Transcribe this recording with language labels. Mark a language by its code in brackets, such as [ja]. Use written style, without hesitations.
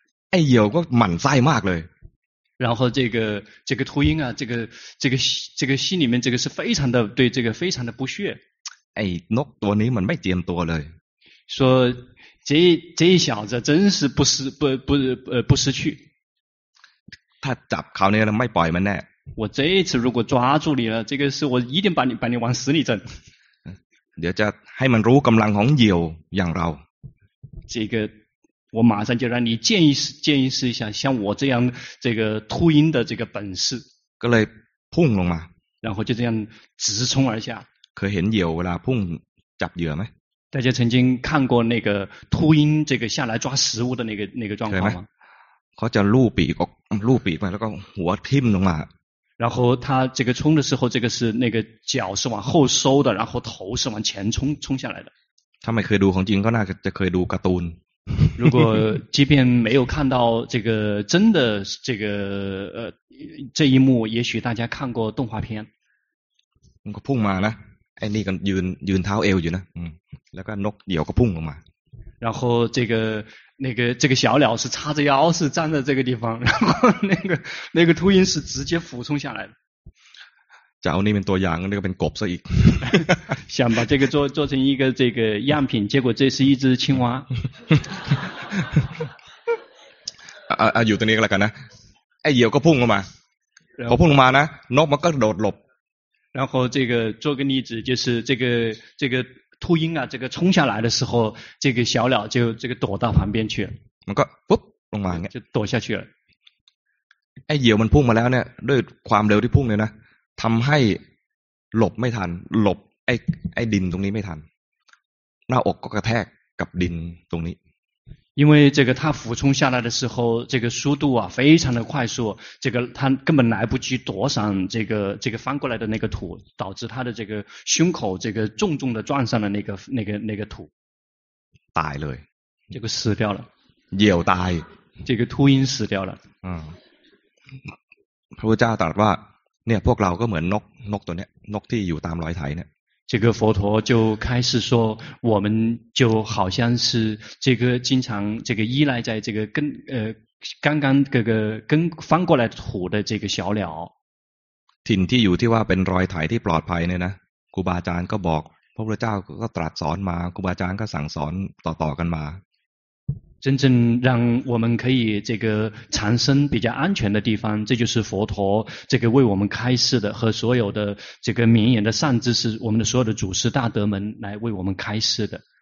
[zh] 哎呦，我满载มากเลย。然后这个秃鹰啊，这个心里面这个是非常的对这个非常的不屑。 [th] 哎，那ตัวนี้มันไม่เตรียมตัวเลย。 [zh] 说这一小子真是不识不识趣。 [th] ถ้าจับเขาเนี่ยไม่ปล่อยมันแน่。 [zh] 我这一次如果抓住你了，这个是我一定把你往死里整。 [th] เดี๋ยวจะให้มันรู้กำลังของเหยี่ยวอย่างเรา。 [zh] 这个。我马上就让你见识一下像我这样这个秃鹰的这个本事。 [th] ก็เลยพุ่งลงมา。 [zh] 然后就这样直冲而下。 [th] เคยเห็นเหยี่ยวเวลาพุ่งจับเหยื่อไหม？ [zh] 大家曾经看过那个秃鹰这个下来抓食物的那个状况吗？ [th] เขาจะลู่ปีกออกลู่ปีกไปแล้วก็หัวทิ่มลงมา。 [zh] 然后他这个冲的时候，这个是那个脚是往后收的，然后头是往前冲下来的。 [th] ถ้าไม่เคยดูของจริงก็น่าจะเคยดูการ์ตูน。 [zh] 如果即便没有看到这个真的这个这一幕，也许大家看过动画片。 [th] มันพุ่งมานะไอ้นี่ก็ยืนเท้าเอวอยู่นะแล้วก็นกเหยี่ยวก็พุ่งลงมา。 [zh] 然后这个小鸟是叉着腰是站在这个地方，然后那个秃鹰是直接俯冲下来的。 [th] จะเอานี่เป็นตัวอย่างนี่ก็เป็นกบซะอีก [zh] 想把这个做成一个这个样品结果这是一只青蛙 [th] อยู่ตรงนี้ก็แล้วกันนะไอ้เหยี่ยวก็พุ่งลงมาพอพุ่งลงมานะนกมันก็โดดหลบ [zh] 然后这个做个例子就是这个秃鹰啊这个冲下来的时候这个小鸟就这个躲到旁边去 [th] มันก็ปุ๊บลงมาเงี้ย [zh] 就躲下去了 [th] ไอ้เหยี่ยวมันพุ่งมาแล้วเนี่ยด้วยความเร็วที่พุ่งเลยนะทำให้หลบไม่ทันหลบไอ้ดินตรงนี้ไม่ทันหน้าอกก็กระแทกกับดินตรงนี้ [zh] 因为这个他俯冲下来的时候这个速度啊非常的快速这个他根本来不及躲闪这个翻过来的那个土导致他的这个胸口这个重重的撞上了那个土 [th] ตายเลย [zh] 这个死掉了 [th] เหยี่ยวตาย [zh] 这个秃鹰死掉了 [th] พระพุทธเจ้าตรัสว่าเนี่ยพวกเราก็เหมือนนกตัวเนี้ยนกที่อยู่ตามรอยไถเนี่ย [zh] 这个佛陀就开始说我们就好像是这个经常这个依赖在这个跟刚刚这个跟翻过来土的这个小鸟 [th] ถิ่นที่อยู่ที่ว่าเป็นรอยไถที่ปลอดภัยเนี่ยนะครูบาอาจารย์ก็บอกพระพุทธเจ้าก็ตรัสสอนมาครูบาอาจารย์ก็สั่งสอนต่อกันมา [zh] 真正让我们可以这个长生比较安全的地方，这就是佛陀这个为我们开示的和所有的这个绵延的善知识，我们的所有的祖师大德们来为我们开示的。